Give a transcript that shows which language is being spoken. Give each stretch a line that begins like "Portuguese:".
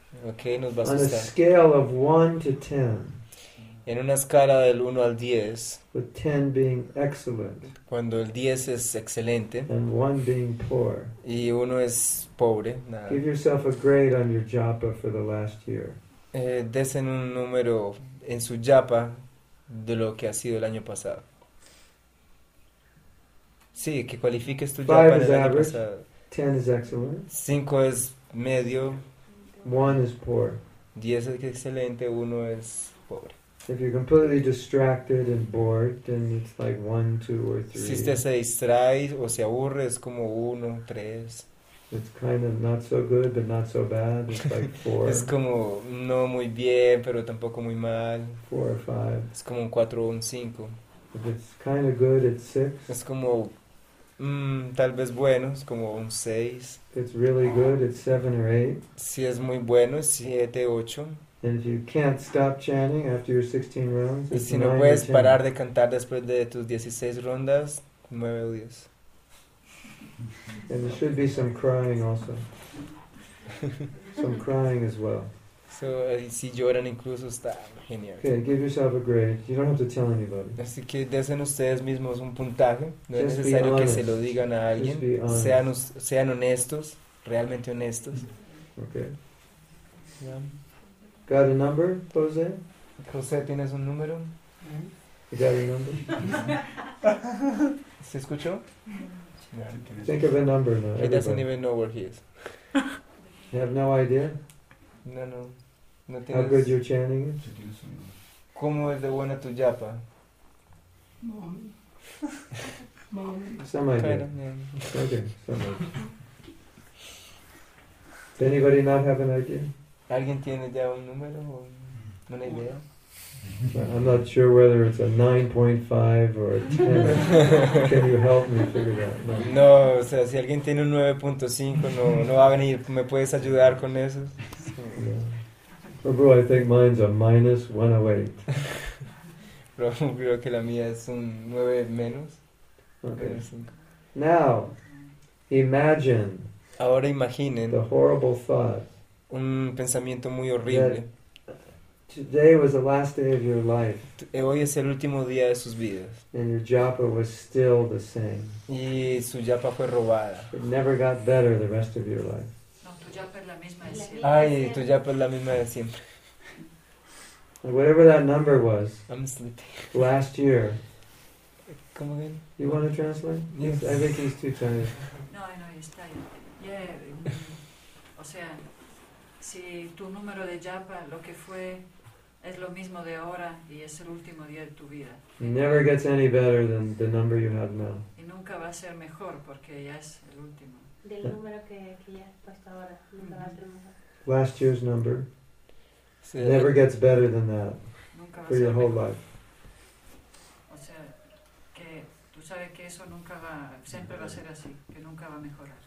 Spanish: Okay, nos va a asustar.
English: On a scale of 1 to 10.
Spanish: En una escala del 1 al 10.
English: With 10 being excellent.
Spanish: Cuando el 10 es excelente.
English: And 1 being poor.
Spanish: Y 1 es pobre, nada.
English: Give yourself a grade on your japa for the last year.
Spanish: Desen un número en su japa de lo que ha sido el año pasado. Sí, que cualifiques tu japa del año pasado.
English: 10 is excellent.
Spanish: 5 es medio.
English: 1 is poor.
Spanish: 10 es excelente, 1 es pobre.
English: If you're completely distracted and bored, then it's like 1, 2, or 3.
Spanish: Si usted se distrae o se aburre, es como 1, 3.
English: It's kind of not so good, but not so bad. It's like 4.
Spanish: Es como no muy bien, pero tampoco muy mal.
English: 4 or 5.
Spanish: Es como un 4 o un 5.
English: If it's kind of good, it's 6.
Spanish: Es como tal vez bueno, es como un 6.
English: It's really good, it's 7 or 8.
Spanish: Si es muy bueno, es 7, 8.
English: And if you can't stop chanting after your 16 rounds, it's 9 or 10.
Spanish: Y si no puedes parar de cantar después de tus 16 rondas, 9 o 10.
English: And there should be some crying also. Some crying as well.
Spanish: So, si lloran incluso, está genial.
English: Okay, give yourself a grade. You don't have to tell anybody.
Spanish: Así que desen ustedes mismos un puntaje. No es necesario que se lo digan a alguien. Sean honestos, realmente honestos.
English: Okay. Yeah. Got a number, Jose?
Spanish: Jose, ¿tienes un número?
English: You got a number?
Spanish: ¿Se escuchó?
English: Think of a number now. He doesn't even know where he is. You have no idea? No. How good your chanting is?
Spanish: ¿Cómo es de buena tu japa?
English: Mommy. Some idea. Kind of, yeah. Okay, some idea. Does anybody not have an idea?
Spanish: ¿Alguien tiene ya un número o una idea?
English: I'm not sure whether it's a 9.5 or a 10. Can you help me figure that?
Spanish: No, o sea, si alguien tiene un 9.5, no va a venir. ¿Me puedes ayudar con eso?
English: Yeah. Bro, I think mine's a minus 108.
Spanish: Bro, creo que la mía es un 9 menos.
English: Okay. Now, imagine.
Spanish: Ahora imaginen.
English: The horrible thought.
Spanish: Un pensamiento muy horrible.
English: Today was the last day of your life.
Spanish: Hoy es el último día de sus vidas.
English: And your japa was still the same.
Spanish: Y su japa fue robada.
English: It never got better the rest of your life.
Spanish: No, tu japa es la misma de siempre. Ay, tu japa es la misma de siempre.
English: Whatever that number was. I'm sleeping. Last year. Come again? You want to translate? Yes. I think he's too tired.
Spanish: No, no, está ahí. Yeah, o sea, si tu número de yapa, lo que fue, es lo mismo de ahora y es el último día de tu vida.
English: It never gets any better than the number you have now.
Spanish: Y nunca va a ser mejor porque ya es el último. Del número que ya has puesto ahora, nunca va a ser mejor.
English: Last year's number never gets better than that for your whole life.
Spanish: O sea, que tú sabes que eso nunca va, siempre va a ser así, que nunca va a mejorar.